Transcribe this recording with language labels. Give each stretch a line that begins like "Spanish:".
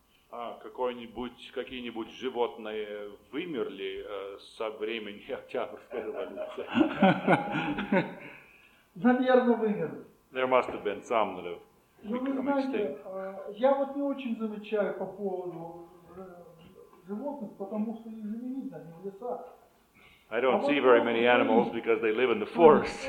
Russian: А какой-нибудь, какие-нибудь животные вымерли со времени Октябрьской революции? Наверное, вымерли.
English: There must have been some that have become extinct.
Russian: Я вот не очень замечаю по поводу животных, потому что их же не видно, они в лесах.
English: I don't see very many animals because they live in the forest.